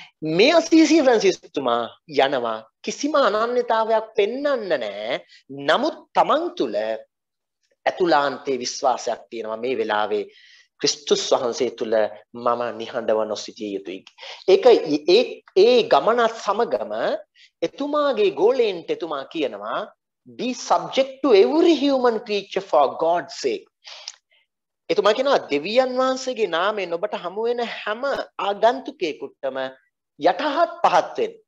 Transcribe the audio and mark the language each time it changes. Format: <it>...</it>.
<si>මේ අසීසි ෆ්‍රැන්සිස්තුමා යනවා කිසිම අනන්‍යතාවයක් පෙන්වන්න නෑ. නමුත් තමන් තුළ ඇතුළාන්තේ විශ්වාසයක් තියෙනවා මේ වෙලාවේ ක්‍රිස්තුස් වහන්සේ තුළ මම නිහඬව නොසිටිය යුතුයි. ඒක ඒ ගමනත් සමගම එතුමාගේ ගෝලෙන්ට එතුමා කියනවා</si> <en>be subject to every human creature for God's sake.</en> <si>එතුමා කියනවා දෙවියන් වහන්සේගේ නාමයෙන් ඔබට හමු වෙන හැම ආගන්තුකෙකුටම යටහත් පහත් වෙන්න.</si>